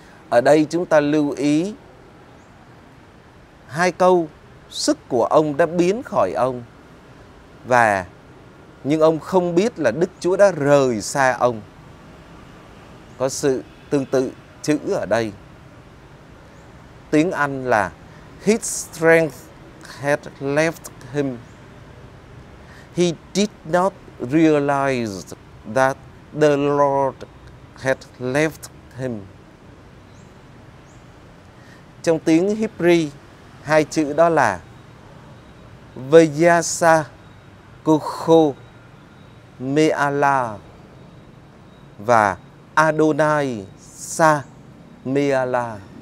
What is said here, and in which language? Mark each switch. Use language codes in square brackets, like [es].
[vi] Ở đây chúng ta lưu ý hai câu: sức của ông đã biến khỏi ông, và nhưng ông không biết là Đức Chúa đã rời xa ông. Có sự tương tự chữ ở đây. Tiếng Anh là [en] "His strength had left him. He did not realize that the Lord had left him." [vi] Trong tiếng Hebrew, hai chữ đó là [he] "Vayasa kucho meala" [vi] và [he] "Adonai sa meala".